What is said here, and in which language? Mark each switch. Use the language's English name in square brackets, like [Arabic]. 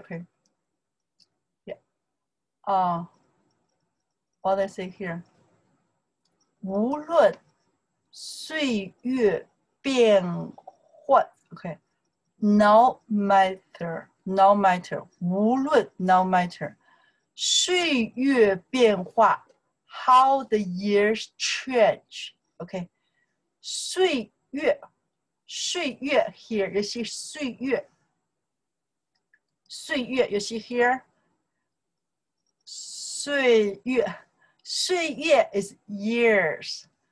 [English] Okay, yeah. What does it say here? [Chinese] 无论岁月变幻 [English] Okay, no matter, no matter. [Chinese] 无论 [English] no matter, [Chinese] 岁月变化。 [English] How the years change, okay? [Chinese] 岁月，岁月 [English] here, you see 岁月，岁月 you see here. [Chinese] 岁月，岁月 [English] is years.